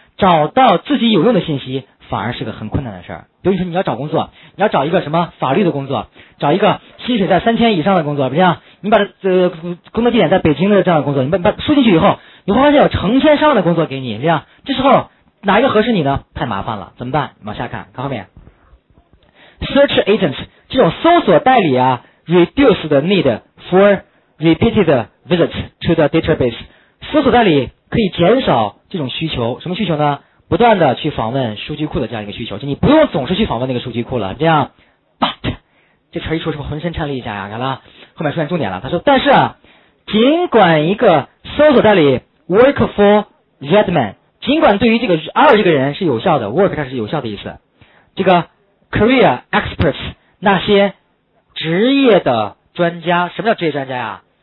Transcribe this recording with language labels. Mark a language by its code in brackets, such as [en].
[zh] 找到自己有用的信息反而是个很困难的事儿。比如说你要找工作，你要找一个什么法律的工作，找一个薪水在3000以上的工作，不是这样，你把工作地点在北京的这样的工作，你把输进去以后，你会发现有成千上万的工作给你，这样这时候哪一个合适你呢？太麻烦了，怎么办？往下看，看后面。 [en] search agents [zh] 这种搜索代理啊 [en] reduce the need for repeated visits to the database， [zh] 搜索代理可以减少这种需求。什么需求呢？不断的去访问数据库的这样一个需求，就你不用总是去访问那个数据库了，这样。 [en] but [zh] 这词一说是不是浑身颤栗一下呀、啊？看后面出现重点了，他说但是啊，尽管一个搜索代理 [en] work for Redman， [zh] 尽管对于这个 R 这个人是有效的， work 它是有效的意思，这个 [en] career experts [zh] 那些职业的专家，什么叫职业专家呀、啊？